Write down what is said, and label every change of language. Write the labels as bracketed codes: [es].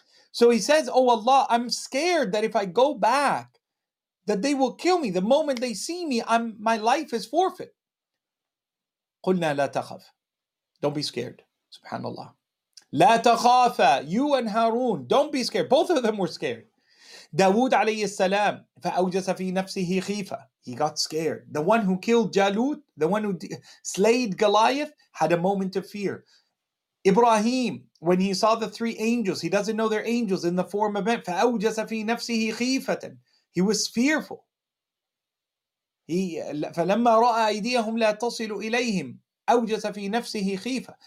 [en] So he says, "Oh Allah, I'm scared that if I go back, that they will kill me. The moment they see me, my life is forfeit." [ar] قُلْنَا لَا تَخَفْ. [en] Don't be scared. Subhanallah. [ar] لَا تَخَافَ. [en] You and Harun, don't be scared. Both of them were scared. [ar] Dawood عليه السلام فَأَوْجَسَ فِي نَفْسِهِ خِيفَ. [en] He got scared. The one who killed Jalut, the one who slayed Goliath, had a moment of fear. Ibrahim, when he saw the three angels, he doesn't know they're angels in the form of men. [ar] فَأَوْجَسَ فِي نَفْسِهِ خِيفَةً. [en] He was fearful. [ar] فَلَمَّا رَأَى أَيْدِيَهُمْ لَا تَصِلُ إِلَيْهِمْ أَوْجَسَ فِي نَفْسِهِ خِيفَ.